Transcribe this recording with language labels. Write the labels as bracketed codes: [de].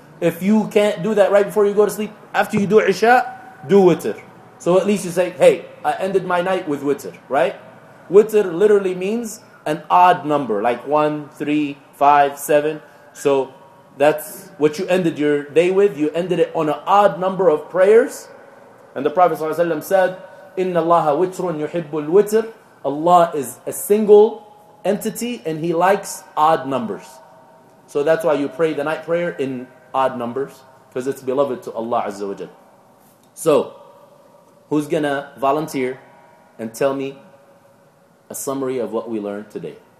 [en] If you can't do that right before you go to sleep, after you do Isha, do witr. So at least you say, hey, I ended my night with witr. Right? Witr literally means an odd number, like 1, 3, 5, 7. So that's what you ended your day with. You ended it on an odd number of prayers. And the Prophet ﷺ said, [ar] إِنَّ اللَّهَ وِتْرٌ يُحِبُّ الْوِتْرِ. [en] Allah is a single entity and He likes odd numbers. So that's why you pray the night prayer in odd numbers, because it's beloved to Allah Azza wa Jal. So, who's going to volunteer and tell me a summary of what we learned today?